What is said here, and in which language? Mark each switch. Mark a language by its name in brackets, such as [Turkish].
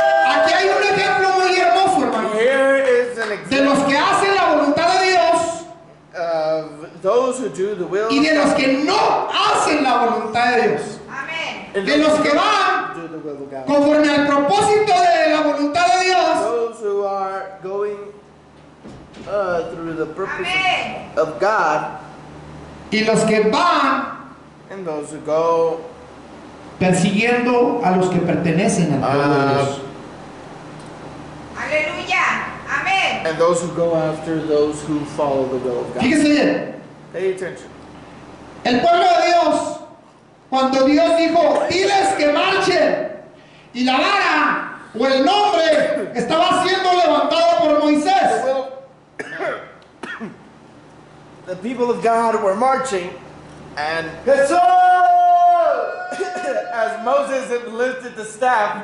[Spanish] Aquí hay un ejemplo muy hermoso, hermano. De los que hacen la voluntad de Dios. [English] Those who do the will. [Spanish] Y de los que no hacen la voluntad de Dios. Amén. De los que van conforme al propósito de la voluntad de Dios. [English] Those who are going through the purpose of God. [Spanish] Y los que van. [English] And those who go [Spanish] persiguiendo a los que pertenecen al pueblo de Dios. Aleluya. Amén. [English] And those who go after those who follow the will of God. [Spanish] Fíjense bien. [English] Pay attention. [Spanish] El pueblo de Dios, cuando Dios dijo, diles que marchen, y la vara o el nombre estaba siendo levantado por Moisés. [English] The people of God were marching. And as Moses lifted the staff,